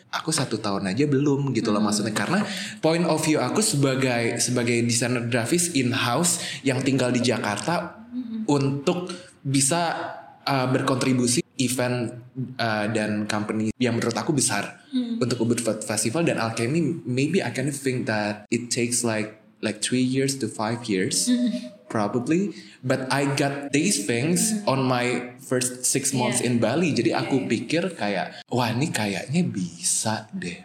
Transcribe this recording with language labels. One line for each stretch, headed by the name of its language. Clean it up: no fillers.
Indonesian: Aku satu tahun aja belum gitu loh maksudnya, karena point of view aku sebagai desainer grafis in house yang tinggal di Jakarta untuk bisa berkontribusi event dan company yang menurut aku besar untuk Ubud Festival dan Alchemy, maybe I can think that it takes like 3 years to 5 years.
English: Probably, but I got these things on my first 6 months in Bali.
Indonesian: Jadi aku pikir kayak, wah ini kayaknya bisa deh.